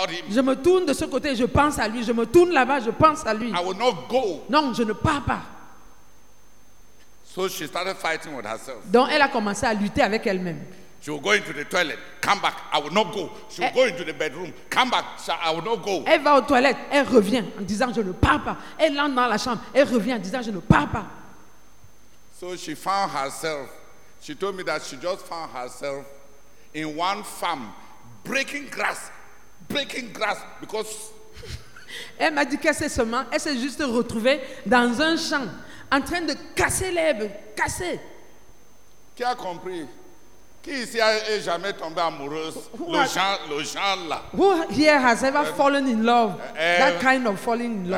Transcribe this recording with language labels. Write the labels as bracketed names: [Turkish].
[French] Je me tourne de ce côté, je pense à lui. Je me tourne là-bas, je pense à lui. [English] I will not go. [French] Non, je ne pars pas. [English] So she started fighting with herself. [French] Donc elle a commencé à lutter avec elle-même. [English] She will go into the toilet, come back, I will not go. She will go into the bedroom, come back, I will not go. [French] Elle va aux toilettes, elle revient en disant je ne pars pas. Elle entre dans la chambre, elle revient en disant je ne pars pas. [English] So she found herself, she told me that she just found herself in one farm, breaking grass because... [French] Elle m'a dit qu'elle s'est seulement, elle s'est juste retrouvée dans un champ, en train de casser l'herbe, casser. Qui a compris? Qui ici a jamais tombé amoureuse? Le genre là. [English] Who here has ever fallen in love? That kind of falling in love.